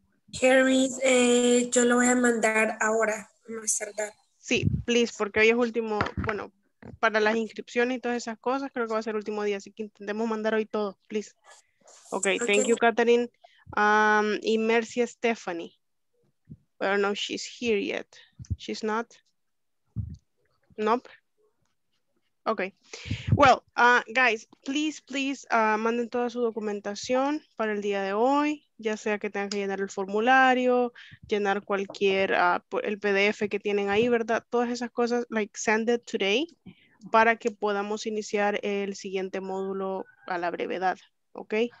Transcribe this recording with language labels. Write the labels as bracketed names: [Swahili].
[Spanish] Jeremy, yo lo voy a mandar ahora, más tarde. Sí, please, porque hoy es último, bueno, para las inscripciones y todas esas cosas, creo que va a ser el último día, así que intentemos mandar hoy todo, please. [English] Okay, thank you, Catherine. Y Mercy Stephanie. I don't know if she's here yet. She's not. Nope. Okay. Well, guys, please, [Spanish] manden toda su documentación para el día de hoy. ya sea que tengan que llenar el formulario, llenar cualquier el PDF que tienen ahí, ¿verdad? Todas esas cosas, [English] like send it today, [Spanish] para que podamos iniciar el siguiente módulo a la brevedad, ¿ok?